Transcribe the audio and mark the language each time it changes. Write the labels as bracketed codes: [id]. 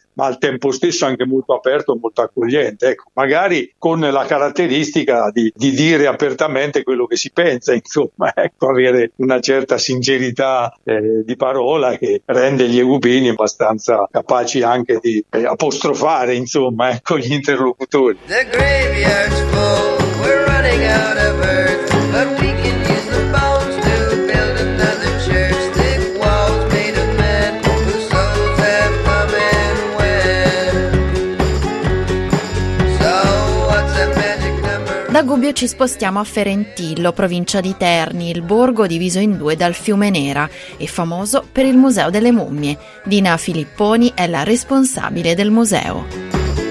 [it] ma al tempo stesso anche molto aperto, molto accogliente, ecco, magari con la caratteristica di dire apertamente quello che si pensa, insomma, ecco, avere una certa sincerità di parola che rende gli egubini abbastanza capaci anche di apostrofare, insomma, ecco, gli interlocutori. [en] The graveyard's full, we're running out of earth, but we can use the bones to build another church. Thick walls made of men, whose souls have come and went. So what's the magic number? [it] Da Gubbio ci spostiamo a Ferentillo, provincia di Terni, il borgo diviso in due dal fiume Nera e famoso per il Museo delle Mummie. Dina Filipponi è la responsabile del museo.